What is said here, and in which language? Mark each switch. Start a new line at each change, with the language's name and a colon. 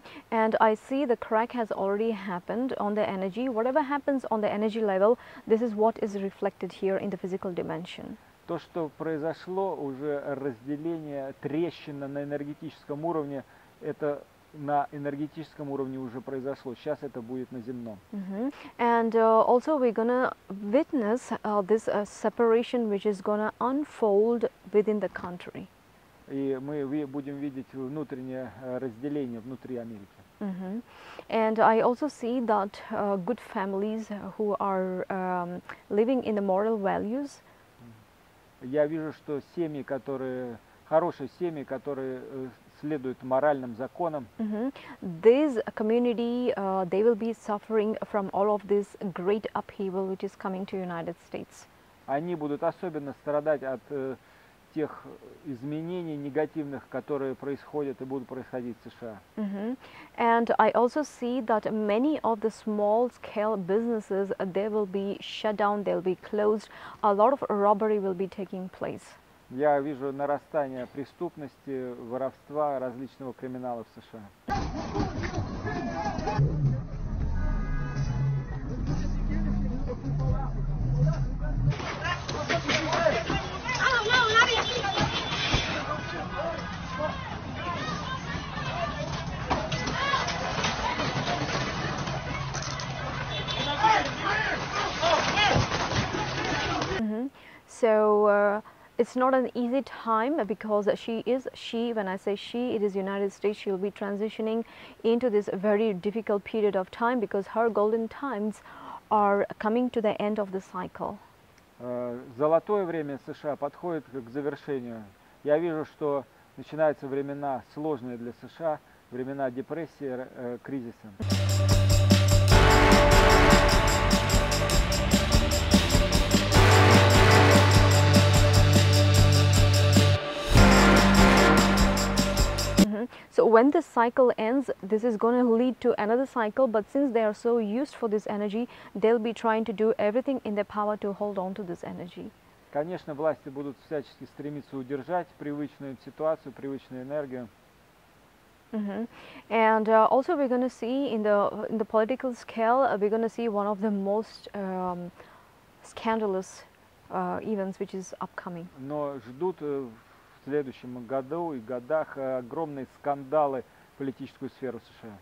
English: And I see the crack has already happened on the energy. Whatever happens on the energy level, this is what is reflected here in the physical dimension.
Russian: То, что произошло, уже разделение, трещина на энергетическом уровне, это на энергетическом уровне уже произошло. Сейчас это будет на земном. Mm-hmm.
English: And also we're gonna witness this separation, which is gonna unfold within the country.
Russian: И мы будем видеть внутреннее разделение внутри Америки. Mm-hmm.
English: And I also see that good families who are living in the moral values.
Russian: Я вижу, что семьи, которые хорошие семьи, которые следуют моральным законам. Mm-hmm.
English: This community, they will be suffering from all of this great upheaval, which is coming to United States.
Russian: Они будут особенно страдать от тех изменений негативных, которые происходят и будут происходить в США. Mm-hmm.
English: And I also see that many of the small scale businesses, they will be shut down, they'll be closed. A lot of robbery will be taking place.
Russian: Я вижу нарастание преступности, воровства, различного криминала в США.
English: So it's not an easy time because she, when I say she, it is United States, she'll be transitioning into this very difficult period of time because her golden times are coming to the end of the cycle.
Russian: Золотое время США подходит к завершению. Я вижу, что начинаются времена сложные для США, времена депрессии, кризиса.
English: when this cycle ends, this is going to lead to another cycle. But since they are so used for this energy, they'll be trying to do everything in their power to hold on to this energy.
Russian: Конечно, власти будут всячески стремиться удержать привычную ситуацию, привычную энергию. Mm-hmm.
English: And also we're going to see in the political scale, we're going to see one of the most scandalous events, which is upcoming.
Russian: Но ждут в следующем году и годах огромные скандалы в политическую сферу США.